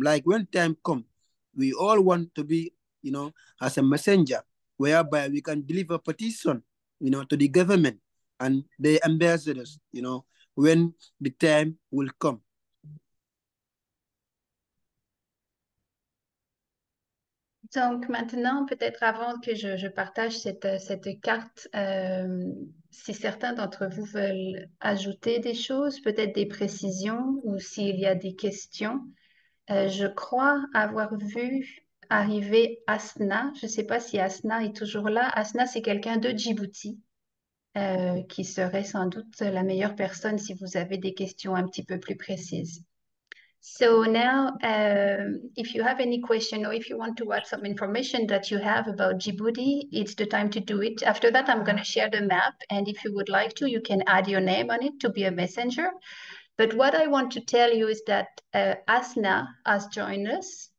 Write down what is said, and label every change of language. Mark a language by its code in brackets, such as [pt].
[en] Like when time come, we all want to be, as a messenger, whereby we can deliver petition, to the government and the ambassadors, when the time will come. [fr] Donc maintenant, peut-être avant que je partage cette carte, si certains d'entre vous veulent ajouter des choses, peut-être des précisions ou s'il y a des questions, je crois avoir vu arriver Asna. Je ne sais pas si Asna est toujours là. Asna, c'est quelqu'un de Djibouti qui serait sans doute la meilleure personne si vous avez des questions un petit peu plus précises. [en] So now, if you have any question or if you want to add some information that you have about Djibouti, it's the time to do it. After that, I'm going to share the map. And if you would like to, you can add your name on it to be a messenger. But what I want to tell you is that Asna has joined us.